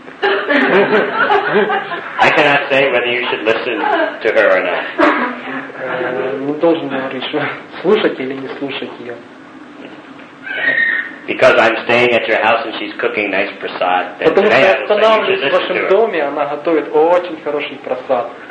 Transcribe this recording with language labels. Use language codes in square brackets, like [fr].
[en] I cannot say whether you should listen to her or not. [ru] Не должен говорить, слушать или не слушать ее. [en] Because I'm staying at your house and she's cooking nice prasad. [ru] Потому что я останавливаюсь в вашем доме, она готовит очень хороший прасад.